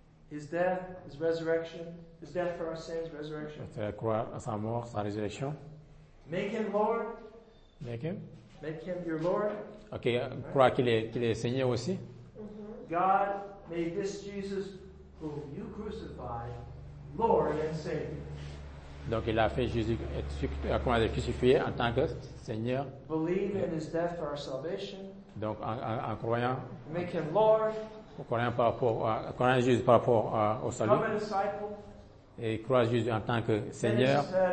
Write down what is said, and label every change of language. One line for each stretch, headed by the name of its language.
English: His death, his resurrection, his death for our sins, resurrection.
French: C'est-à-dire croire à sa mort, sa résurrection.
English: Make him Lord. Make him your Lord. Okay, right.
French: Crois qu'il est Seigneur aussi.
English: God made this Jesus whom you crucified Lord and Savior.
French: Donc il a fait Jésus être crucifié en tant que Seigneur.
English: Believe in his death for our salvation.
French: Donc en croyant,
English: make him Lord,
French: croyant par rapport à, croyant Jésus par rapport à, au salut,
English: become a disciple,
French: et croire Jésus en tant que Seigneur.